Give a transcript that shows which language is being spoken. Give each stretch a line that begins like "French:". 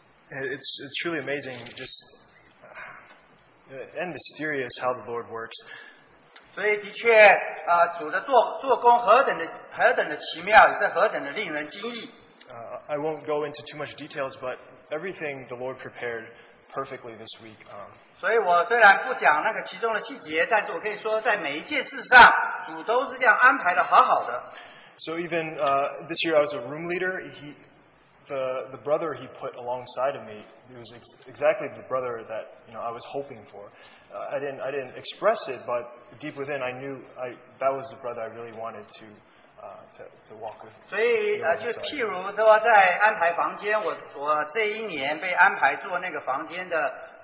English: It's truly amazing just and mysterious how the Lord works.
Chinese: 所以的确，主的做工何等的奇妙，也是何等的令人惊异。
English: I won't go into too much details, but everything the Lord prepared perfectly this week.
Chinese: 所以我虽然不讲那个其中的细节，但是我可以说，在每一件事上，主都是这样安排的好好的。So
English: even this year I was a room leader. The brother he put alongside of me, it was exactly the brother that you know I was hoping for. I didn't express it, but deep within I knew that was the brother I really wanted to walk with.
Chinese: 所以就譬如说在安排房间，我这一年被安排做那个房间的。